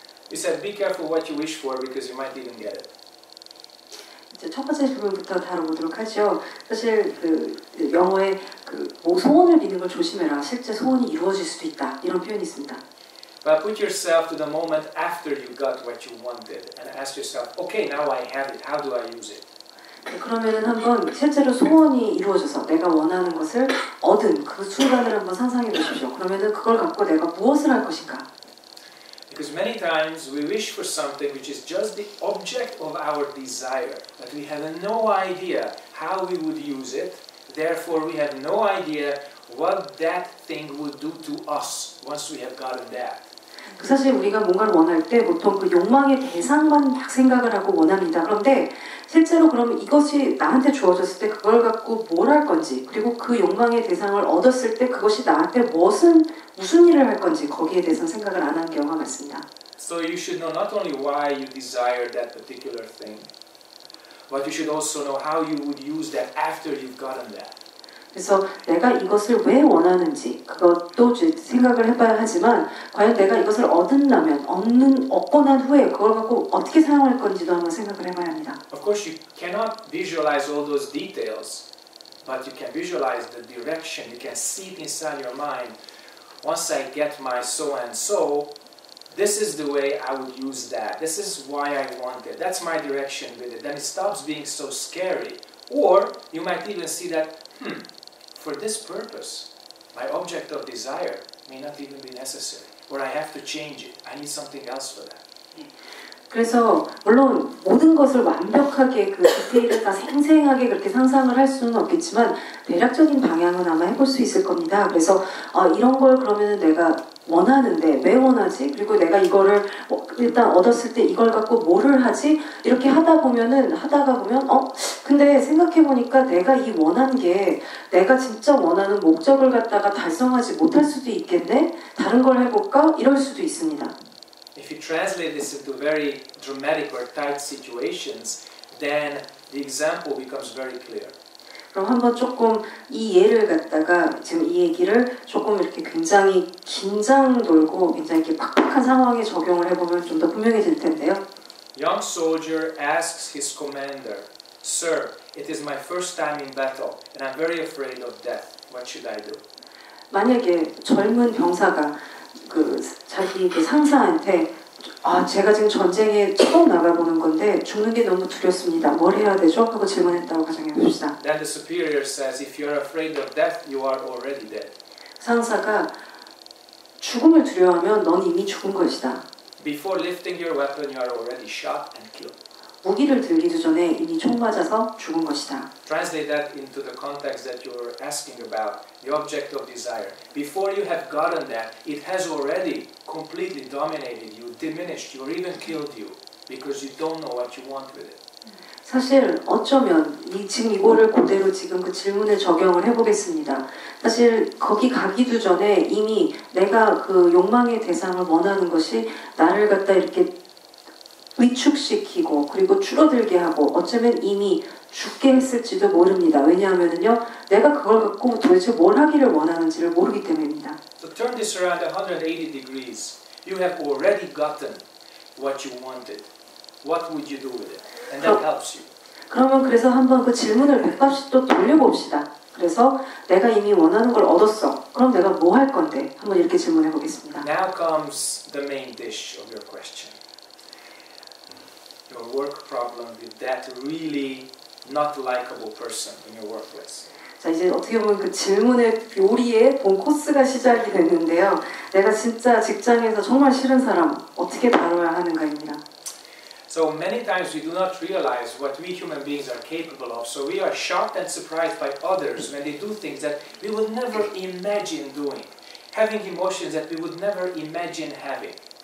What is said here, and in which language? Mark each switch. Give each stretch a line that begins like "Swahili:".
English: You said be careful what you wish for because you might even get it.
Korean: 첫 번째 질문부터 다뤄보도록 하죠. 사실 그 영어에 그 뭐 소원을 비는 걸 조심해라. 실제 소원이 이루어질 수도 있다. 이런 표현이 있습니다.
English: But put yourself to the moment after you got what you wanted and ask yourself, okay, now I have it. How do I use it?
Korean: 그러면은 한번 실제로 소원이 이루어져서 내가 원하는 것을 얻은 그 순간을 한번 상상해 보십시오. 그러면은 그걸 갖고 내가 무엇을 할 것인가?
English: Because many times we wish for something which is just the object of our desire, but we have no idea how we would use it. Therefore, we have no idea what that thing would do to us once we have gotten that.
Korean: 사실 우리가 뭔가를 원할 때 보통 그 욕망의 대상만 딱 생각을 하고 원합니다. 그런데 실제로 그러면 이것이 나한테 주어졌을 때 그걸 갖고 뭘 할 건지 그리고 그 욕망의 대상을 얻었을 때 그것이 나한테 무슨 일을 할 건지 거기에 대해서 생각을 안 하는 경우가 많습니다.
English: So you should know not only why you desire that particular thing, but you should also know how you would use that after you've gotten that.
Korean: 그래서 내가 이것을 왜 원하는지 그것도 생각을 해봐야 하지만 과연 내가 이것을 얻는다면 얻고 난 후에 그걸 갖고 어떻게 사용할 건지도 한번 생각을 해봐야 합니다.
English: Of course, you cannot visualize all those details, but you can visualize the direction. You can see it inside your mind. Once I get my so and so, this is the way I would use that. This is why I want it. That's my direction with it. Then it stops being so scary. Or you might even see that. For this purpose, my object of desire may not even be necessary, or I have to change it. I need something else for that.
Korean: 그래서 물론 모든 것을 완벽하게 그 디테일을 다 생생하게 그렇게 상상을 할 수는 없겠지만 대략적인 방향은 아마 해볼 수 있을 겁니다. 그래서 이런 걸 그러면은 내가 원하는데 왜 원하지? 그리고 내가 이거를 일단 얻었을 때 이걸 갖고 뭐를 하지? 이렇게 하다 보면은 하다가 보면 근데 생각해 보니까 내가 이 원한 게 내가 진짜 원하는 목적을 갖다가 달성하지 못할 수도 있겠네. 다른 걸 해볼까? 이럴 수도 있습니다.
English: If you translate this into very dramatic or tight situations, then the example becomes very clear.
Korean: 그럼 한번 조금 이 예를 갖다가 지금 이 얘기를 조금 이렇게 굉장히 긴장 돌고 굉장히 팍팍한 상황에 적용을 해보면 좀 더 분명해질 텐데요.
English: Young soldier asks his commander, "Sir, it is my first time in battle, and I'm very afraid of death. What should I do?"
Korean: 만약에 젊은 병사가 그 자기 그 상사한테 제가 지금 전쟁에 처음 나가보는 건데 죽는 게 너무 두렵습니다. 뭘 해야 되죠? 하고 질문했다고 가정해 봅시다.
English: Then the superior says, if you are afraid of death, you are already dead.
Korean: 상사가 죽음을 두려워하면 넌 이미 죽은 것이다.
English: Before lifting your weapon, you are already shot and killed.
Korean: 무기를 들기도 전에 이미 총 맞아서 죽은 것이다.
English: Translate that into the context that you are asking about, the object of desire. Before you have gotten that, it has already completely dominated you, diminished you, or even killed you, because you don't know what you want with it.
Korean: 사실 어쩌면 이 지금 이거를 그대로 지금 그 질문에 적용을 해보겠습니다. 사실 거기 가기도 전에 이미 내가 그 욕망의 대상을 원하는 것이 나를 갖다 이렇게 위축시키고 그리고 줄어들게 하고 어쩌면 이미 죽게 했을지도 모릅니다. 왜냐하면은요, 내가 그걸 갖고 도대체 뭘 하기를 원하는지를 모르기 때문입니다.
English: So turn this around 180 degrees. You have already gotten what you wanted. What would you do with it? And that helps you.
Korean: 그러면 그래서 한번 그 질문을 180도 돌려봅시다. 그래서 내가 이미 원하는 걸 얻었어. 그럼 내가 뭐 할 건데? 한번 이렇게 질문해 보겠습니다.
English: Now comes the main dish of your question. Your work problem with that really not likable person in your workplace.
Korean: 자 이제 어떻게 보면 그 질문의 요리의 본 코스가 시작이 됐는데요. 내가 진짜 직장에서 정말 싫은 사람 어떻게 다뤄야 하는가입니다.
English: So many times we do not realize what we human beings are capable of. So we are shocked and surprised by others when they do things that we would never imagine doing, having emotions that we would never imagine having.